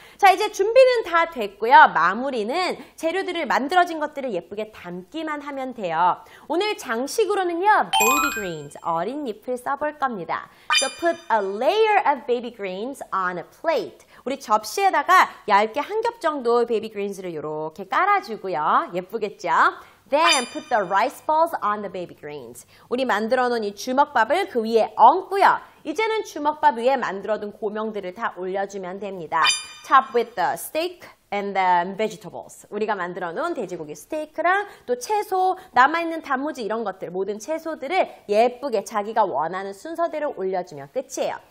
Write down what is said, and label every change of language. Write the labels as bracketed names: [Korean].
[Korean] 자, 이제 준비는 다 됐고요. 마무리는 재료들을 만들어진 것들을 예쁘게 담기만 하면 돼요. 오늘 장식으로는요, baby greens, 어린 잎을 써볼 겁니다. [English] So put a layer of baby greens on a plate. [Korean] 우리 접시에다가 얇게 한 겹 정도 베이비 그린즈를 이렇게 깔아주고요. 예쁘겠죠? [English] Then put the rice balls on the baby greens. [Korean] 우리 만들어 놓은 이 주먹밥을 그 위에 얹고요. 이제는 주먹밥 위에 만들어 둔 고명들을 다 올려주면 됩니다. [English] Top with the steak and the vegetables. [Korean] 우리가 만들어 놓은 돼지고기 스테이크랑 또 채소, 남아있는 단무지 이런 것들, 모든 채소들을 예쁘게 자기가 원하는 순서대로 올려주면 끝이에요.